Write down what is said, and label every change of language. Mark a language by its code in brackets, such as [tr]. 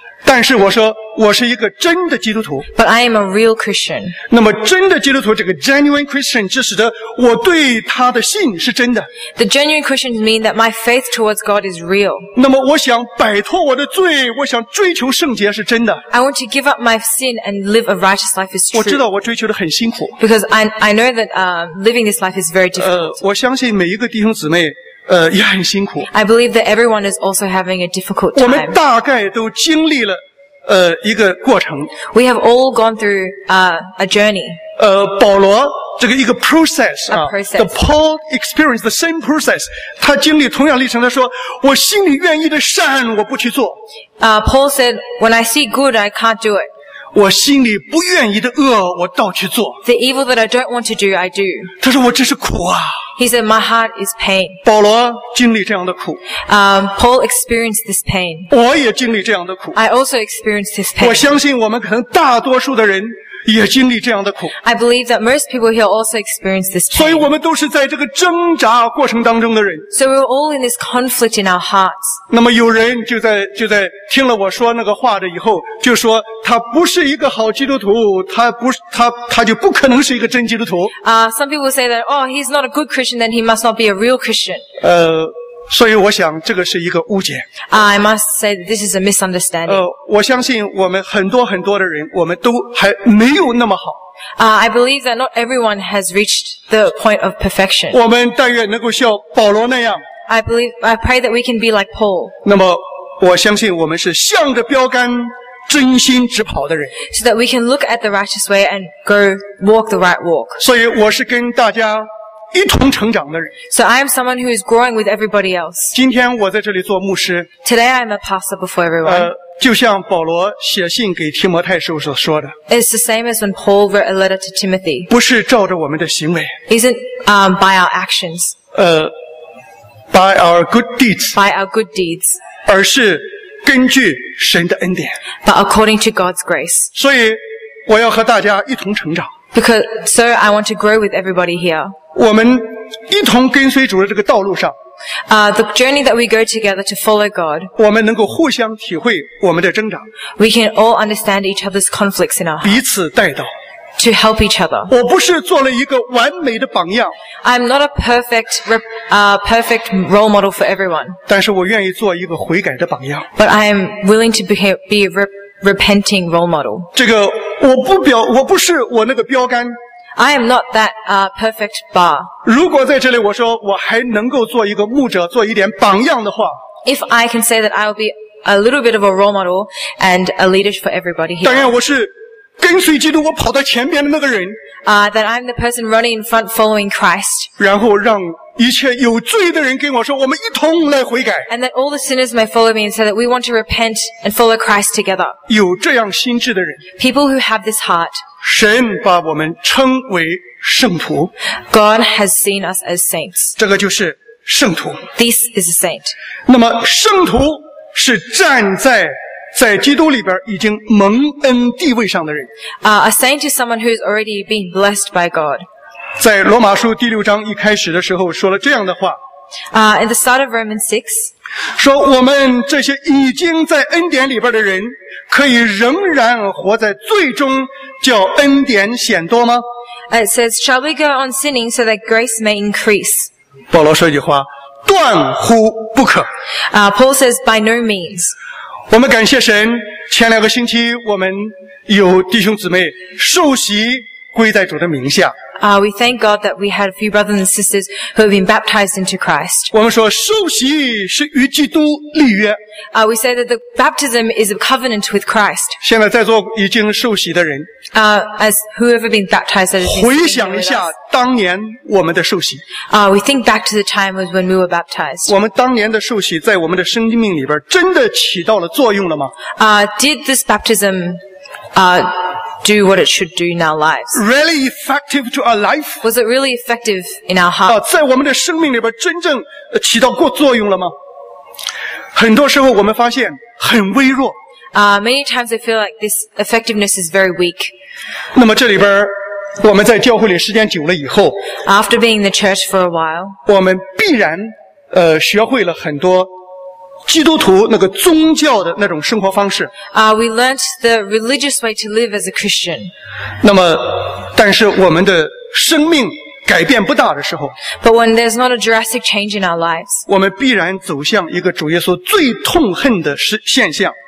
[zh] 但是我说我是一个真的基督徒。 [en] But I am a real Christian. [zh] 那么真的基督徒这个 [en] genuine Christian [zh] 就使得我对他的信是真的。 [en] The genuine Christian means that my faith towards God is real. [zh] 那么我想摆脱我的罪我想追求圣洁是真的。 [en] I want to give up my sin and live a righteous life is true. [zh] 我知道我追求的很辛苦。 [en] Because I know that living this life is very difficult. [zh] 我相信每一个弟兄姊妹也很辛苦。 [en] I believe that everyone is also having a difficult time. [zh] 我们大概都经历了一个过程。 [en] We have all gone through a journey. [zh] 保罗这个一个 process, [en] process. The Paul experienced the same process. [zh] 他经历同样历程他说我心里愿意的善我不去做。 [en] Paul said, when I see good, I can't do it. [zh] 我心里不愿意的恶我倒去做。 [en] The evil that I don't want to do, I do. [zh] 他说我真是苦啊。 [en] He said, my heart is pain. [zh] 保罗经历这样的苦。 [en] Paul experienced this pain. [zh] 我也经历这样的苦。 [en] I also experienced this pain. [zh] 我相信我们可能大多数的人也经历这样的苦。 [en] I believe that most people here also experience this pain. [zh] 所以我们都是在这个挣扎过程当中的人。 [en] So we're all in this conflict in our hearts. [zh] 那么有人就在听了我说那个话的以后就说他不是一个好基督徒他就不可能是一个真基督徒。 [en] Some people say that, oh, he's not a good Christian, then he must not be a real Christian. [zh] 所以我想这个是一个误解。 [en] I must say that this is a misunderstanding. [zh] 我相信我们很多很多的人我们都还没有那么好。 [en] I believe that not everyone has reached the point of perfection. [zh] 我们但愿能够像保罗那样。 [en] I pray that we can be like Paul. [zh] 那么我相信我们是向着标杆真心直跑的人。 [en] So that we can look at the righteous way and go walk the right walk. [zh] 所以我是跟大家一同成长的人。 [en] So I am someone who is growing with everybody else. [zh] 今天我在这里做牧师。 [en] Today I am a pastor before everyone. [zh] 就像保罗写信给提摩太时候所说的。 [en] It's the same as when Paul wrote a letter to Timothy. [zh] 不是照着我们的行为。 [en] Isn't by our actions. By our good deeds. By our good deeds. [zh] 而是根据神的恩典。 [en] But according to God's grace. [zh] 所以我要和大家一同成长。 [en] So I want to grow with everybody here. [zh] 我们一同跟随主的这个道路上。 [en] The journey that we go together to follow God. [zh] 我们能够互相体会我们的挣扎。 [en] We can all understand each other's conflicts in our heart. [zh] 彼此带到。 [en] To help each other. [zh] 我不是做了一个完美的榜样。 [en] I'm not a perfect role model for everyone. [zh] 但是我愿意做一个悔改的榜样。 [en] But I am willing to be a repenting role model. [zh] 这个我不是我那个标杆。 [en] I am not that perfect bar. [zh] 如果在这里我说我还能够做一个牧者做一点榜样的话。 [en] If I can say that I will be a little bit of a role model and a leader for everybody here. [zh] 当然我是跟随基督我跑到前面的那个人、 [en] that I'm the person running in front following Christ. [zh] 然后让一切有罪的人跟我说我们一同来悔改。 [en] And that all the sinners may follow me and say that we want to repent and follow Christ together. [zh] 有这样心智的人。 [en] People who have this heart. [zh] 神把我们称为圣徒。 [en] God has seen us as saints. [zh] 这个就是圣徒。 [en] This is a saint. [zh] 那么圣徒是站在在基督里边已经蒙恩地位上的人。 [en] A saint is someone who's already been blessed by God. [zh] 在罗马书第六章一开始的时候说了这样的话。 [en] In the start of Romans 6, [zh] 说我们这些已经在恩典里边的人可以仍然活在罪中叫恩典显多吗？ [en] It says, shall we go on sinning so that grace may increase? [zh] 保罗说一句话，断乎不可。 [en] Paul says, by no means. [zh] 我们感谢神，前两个星期我们有弟兄姊妹受洗归在主的名下。 [en] We thank God that we had a few brothers and sisters who have been baptized into Christ. [zh] 我们说受洗是与基督立约。 [en] We say that the baptism is a covenant with Christ. [zh] 现在在座已经受洗的人。 [en] As whoever been baptized that has been with us. [zh] 回想一下当年我们的受洗。 [en] We think back to the time when we were baptized. [zh] 我们当年的受洗在我们的生命里边真的起到了作用了吗？ [en] Did this baptism, do what it should do in our lives? Really effective to our life? Was it really effective in our heart? [zh] 在我们的生命里边真正起到过作用了吗？很多时候我们发现很微弱。 [en] Many times I feel like this effectiveness is very weak. [zh] 那么这里边我们在教会里时间久了以后， [en] After being in the church for a while, [zh] 我们必然学会了很多基督徒那个宗教的那种生活方式。 [en] We learned the religious way to live as a Christian. [zh] 那么但是我们的生命改变不大的时候， [en] But when there's not a drastic change in our lives, [zh] 我们必然走向一个主耶稣最痛恨的现象。